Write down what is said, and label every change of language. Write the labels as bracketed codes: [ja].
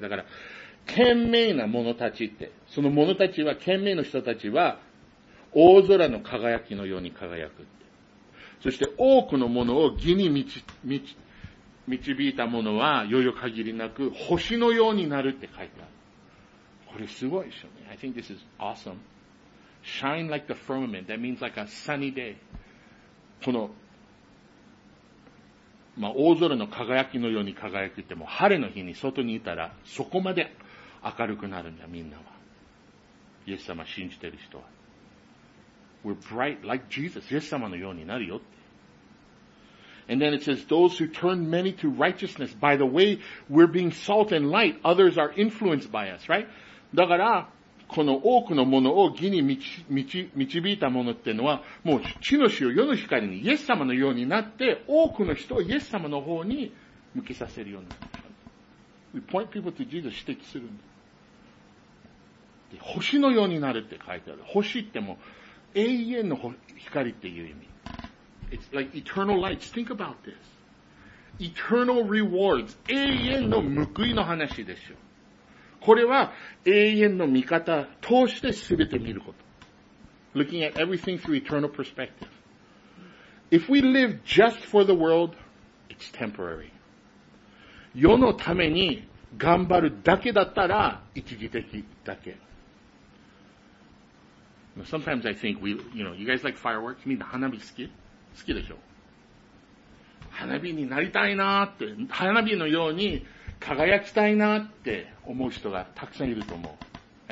[ja] だから、賢明な者たちって、その者たちは、賢明の人たちは、大空の輝きのように輝くって。そして多くの者を義に導いた者は、余裕限りなく、星のようになるって書いてある。これすごいでしょうね。 [en] I think this is awesome. Shine like the firmament. That means like a sunny day. [ja] この、まあ、大空の輝きのように輝くって言っても、晴れの日に外にいたら、そこまで、明るくなるんだ、みんなは。イエス様信じてる人は。 [en] We're bright like Jesus. [ja] イエス様のようになるよって。 [en] And then it says, those who turn many to righteousness. By the way, we're being salt and light. Others are influenced by us, right? [ja] だから、この多くのものを義に導いたものってのは、もう地の塩、世の光にイエス様のようになって、多くの人をイエス様の方に向けさせるようになる。 [en] We point people to Jesus, [ja] 指摘するんだ。で、星のようになるって書いてある。星ってもう永遠の光っていう意味。 [en] It's like eternal lights. Think about this. Eternal rewards. [ja] 永遠の報いの話でしょ。これは永遠の見方を通して全て見ること。 [en] Looking at everything through eternal perspective. If we live just for the world, it's temporary. [ja] 世のために頑張るだけだったら一時的だけ。 [en] Sometimes I think we, you know, you guys like fireworks? [ja] みんな花火好きでしょ。花火になりたいなって、花火のように輝きたいなって思う人がたくさんいると思う。